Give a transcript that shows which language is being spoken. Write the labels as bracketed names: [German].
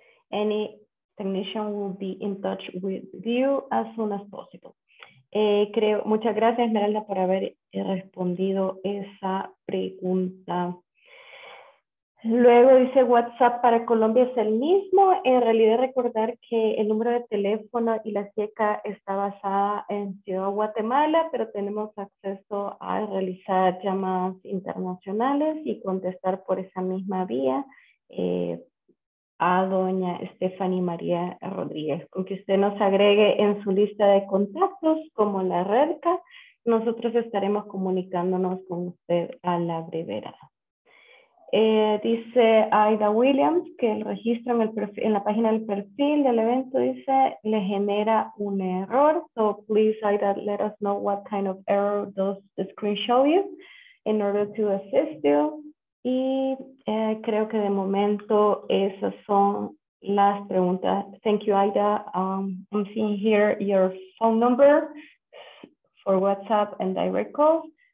[English] Any technician will be in touch with you as soon as possible. [Spanish] Creo, muchas gracias, Esmeralda, por haber respondido esa pregunta. Luego dice WhatsApp para Colombia es el mismo. En realidad, recordar que el número de teléfono y la SIECA está basada en Ciudad de Guatemala, pero tenemos acceso a realizar llamadas internacionales y contestar por esa misma vía a doña Stephanie María Rodríguez. Con que usted nos agregue en su lista de contactos como la REDCA, nosotros estaremos comunicándonos con usted a la brevedad. Dice Aida Williams que el registro en la página del perfil del evento dice le genera un error. [English] So please, Aida, let us know what kind of error does the screen show you in order to assist you. [Spanish] Y creo que de momento esas son las preguntas. [English] Thank you, Aida. I'm seeing here your phone number for WhatsApp and direct calls.